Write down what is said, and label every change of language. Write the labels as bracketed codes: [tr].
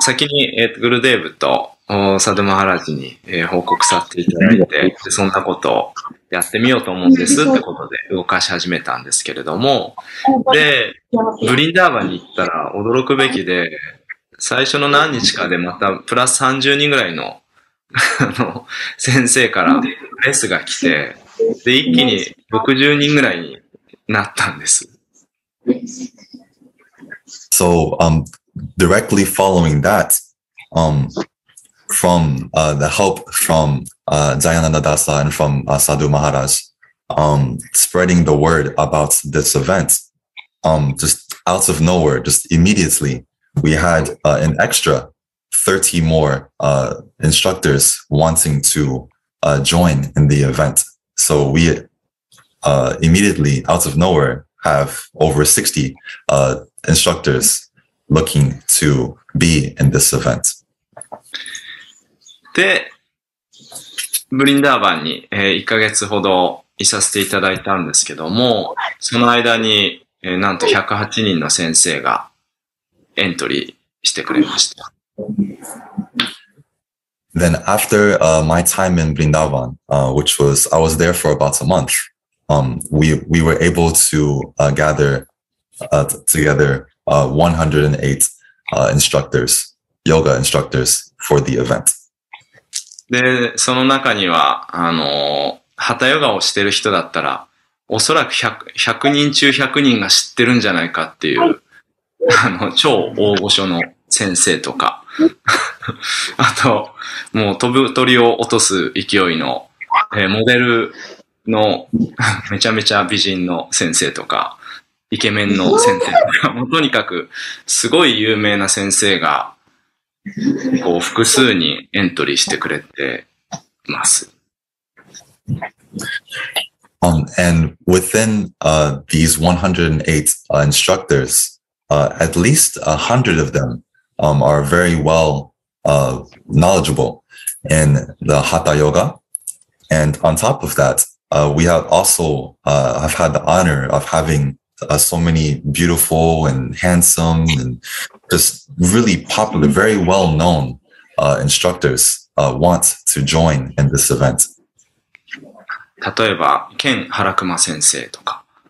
[ja] 先に、グルデーブとサドマハラジに、報告させていただいて、そんなことをやってみようと思うんですってことで動かし始めたんですけれども、で、ブリンダーバに行ったら驚くべきで、最初の何日かでまたプラス30人ぐらいの先生からプレスが来て、で、一気に60人ぐらいになったんです。 [en] So, directly following that, from the help from Dayananda Dasa and from Sadhu Maharaj, spreading the word about this event, just out of nowhere, just immediately, we had an extra 30 more instructors wanting to join in the event. So we immediately, out of nowhere, have over 60 instructors looking to be in this event. [ja] で、ブリンダーバンに、1ヶ月ほどいさせていただいたんですけども、その間に、なんと108人の先生がエントリーしてくれました。 Then after my time in Vrindavan, which was, I was there for about a month, we were able to gather together 108 instructors, yoga instructors for the event. で、その中には、ハタヨガをしてる人だったら、おそらく100人中100人が知ってるんじゃないかっていう、超大御所の先生とか、あと、もう飛ぶ鳥を落とす勢いの、モデルのめちゃめちゃ美人の先生とか、イケメンの先生とか、とにかくすごい有名な先生が、こう複数にエントリーしてくれてます。 [en] And within these 108 instructors, at least 100 of them are very well knowledgeable in the Hatha Yoga. And on top of that, we have also have had the honor of having so many beautiful and handsome and just really popular, very well known instructors want to join in this event. [ja] 例えば、ケン・ハラクマ先生とか。